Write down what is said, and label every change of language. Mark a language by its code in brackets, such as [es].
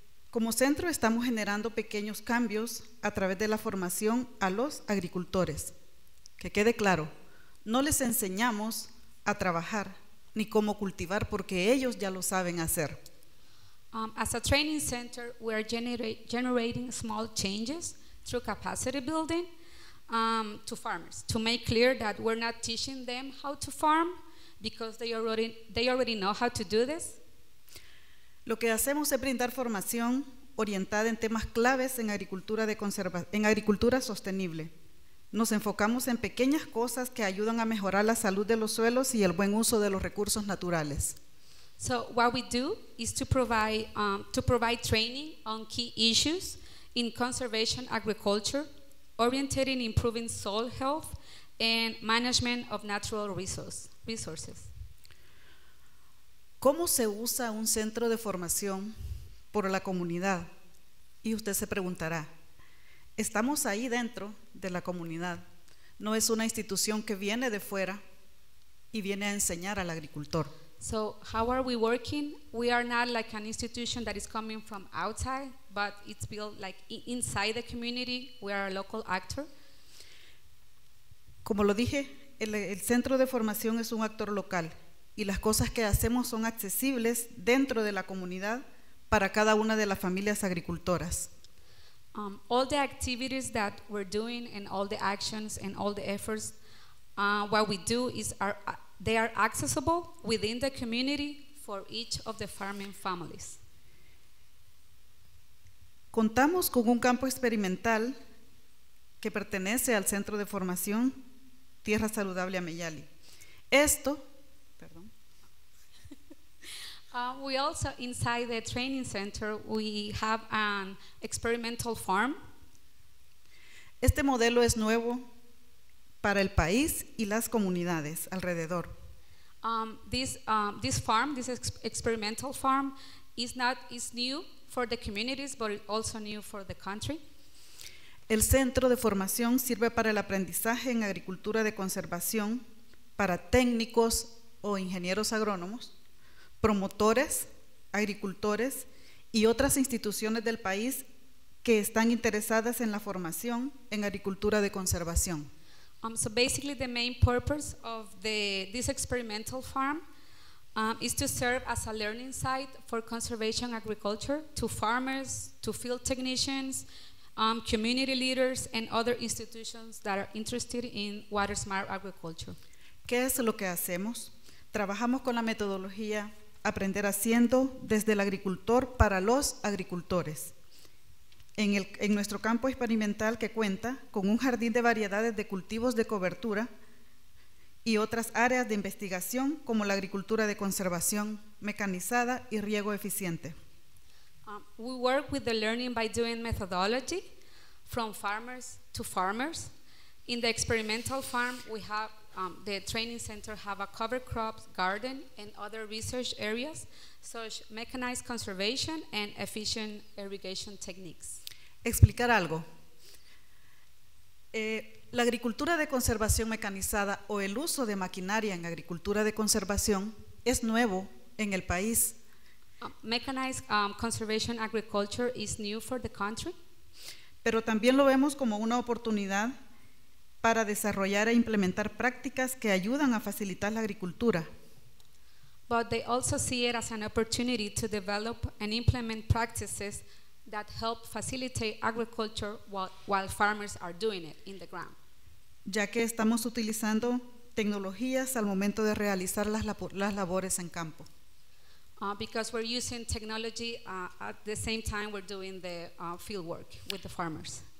[es] Como centro estamos generando pequeños cambios a través de la formación a los agricultores. Que quede claro, no les enseñamos a trabajar ni cómo cultivar porque ellos ya lo saben hacer. [en] As a training center, we are generating small changes through capacity building to farmers to make clear that we're not teaching them how to farm because they already know how to do this. [es] Lo que hacemos es brindar formación orientada en temas claves en agricultura de en agricultura sostenible. Nos enfocamos en pequeñas cosas que ayudan a mejorar la salud de los suelos y el buen uso de los recursos naturales. [en] So what we do is to provide training on key issues in conservation agriculture, oriented in improving soil health and management of natural resources. [es] ¿Cómo se usa un centro de formación por la comunidad? Y usted se preguntará, estamos ahí dentro de la comunidad. No es una institución que viene de fuera y viene a enseñar al agricultor. [en] So how are we working? We are not like an institution that is coming from outside, but it's built like inside the community. We are a local actor. [es] Como lo dije, el centro de formación es un actor local y las cosas que hacemos son accesibles dentro de la comunidad para cada una de las familias agricultoras. [en] All the activities that we're doing and all the actions and all the efforts, what we do is they are accessible within the community for each of the farming families. [es] Contamos con un campo experimental que pertenece al centro de formación Tierra Saludable a Mayali. Esto, perdón. [en] We also, inside the training center, we have an experimental farm. [es] Este modelo es nuevo para el país y las comunidades alrededor. [en] This experimental farm is new for the communities, but also new for the country. [es] El centro de formación sirve para el aprendizaje en agricultura de conservación para técnicos o ingenieros agrónomos, promotores, agricultores y otras instituciones del país que están interesadas en la formación en agricultura de conservación. [en] So basically the main purpose of this experimental farm is to serve as a learning site for conservation agriculture to farmers, to field technicians, community leaders and other institutions that are interested in water smart agriculture. [es] ¿Qué es lo que hacemos? Trabajamos con la metodología Aprender Haciendo desde el agricultor para los agricultores. En nuestro campo experimental que cuenta con un jardín de variedades de cultivos de cobertura y otras áreas de investigación como la agricultura de conservación mecanizada y riego eficiente. [en] We work with the learning by doing methodology from farmers to farmers. In the experimental farm, we have the training center have a cover crops garden and other research areas such as mechanized conservation and efficient irrigation techniques. [es] Explicar algo. La agricultura de conservación mecanizada o el uso de maquinaria en agricultura de conservación es nuevo en el país. [en] Mechanized conservation agriculture is new for the country. [es] Pero también lo vemos como una oportunidad para desarrollar e implementar prácticas que ayudan a facilitar la agricultura. [en] But they also see it as an opportunity to develop and implement practices that help facilitate agriculture while farmers are doing it in the ground. [es] Ya que estamos utilizando tecnologías al momento de realizar las labores en campo. [en] Because we're using technology at the same time we're doing the field work with the farmers.